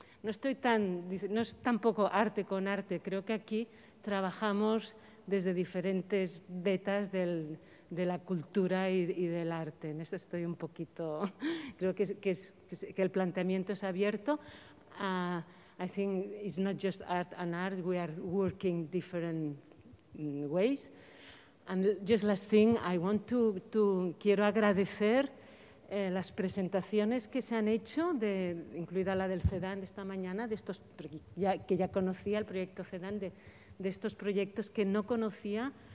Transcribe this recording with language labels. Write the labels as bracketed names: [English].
[Spanish] no estoy tan, no es tampoco arte con arte, creo que aquí trabajamos desde diferentes vetas del, de la cultura y del arte. En esto estoy un poquito, creo que el planteamiento es abierto. [English] I think it's not just art and art, we are working different ways. And just last thing, I want to [Spanish] quiero agradecer las presentaciones que se han hecho, de, incluida la del CEDAN de esta mañana, de estos, que ya conocía el proyecto CEDAN, de estos proyectos que no conocía.